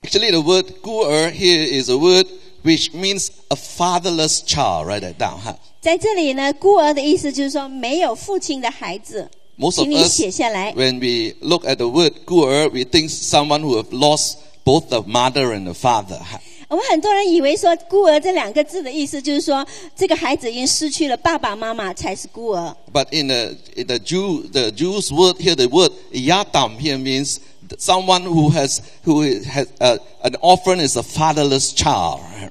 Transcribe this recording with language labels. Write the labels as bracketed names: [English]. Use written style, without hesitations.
[English] Actually, the word 孤儿 here is a word which means a fatherless child. Write that down. Huh? [Chinese] 在这里呢, 孤儿的意思就是说, 没有父亲的孩子, [English] Most of us, when we look at the word 孤儿, we think someone who have lost both the mother and the father. Huh? [Chinese] 我们很多人以为说孤儿这两个字的意思就是说 这个孩子已经失去了爸爸妈妈才是孤儿 [English] But in the Jews word here, the word yatam here means someone who has an orphan is a fatherless child.